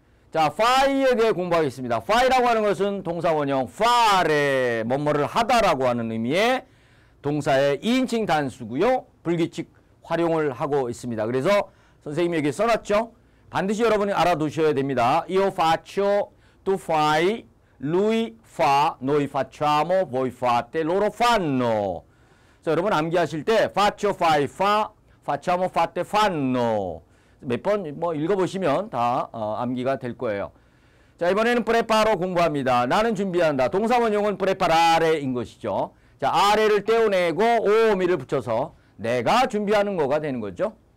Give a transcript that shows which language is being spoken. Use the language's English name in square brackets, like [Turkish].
[Korean] 자, fai에 대해 공부하겠습니다. fai라고 하는 것은 동사원형 fare, 뭐뭐를 하다라고 하는 의미의 동사의 2인칭 단수고요. 불규칙 활용을 하고 있습니다. 그래서 선생님이 여기 써놨죠. 반드시 여러분이 알아두셔야 됩니다. [Italian] Io faccio, tu fai, lui fa, noi facciamo, voi fate, loro fanno. [Korean] 자, 여러분 암기하실 때 faccio, fai, fa, facciamo, fate, fanno 몇 번 뭐 읽어보시면 다 암기가 될 거예요. 자, 이번에는 preparo 공부합니다. 나는 준비한다. 동사원형은 preparare인 것이죠. 자, are를 떼어내고 오미를 붙여서 내가 준비하는 거가 되는 거죠.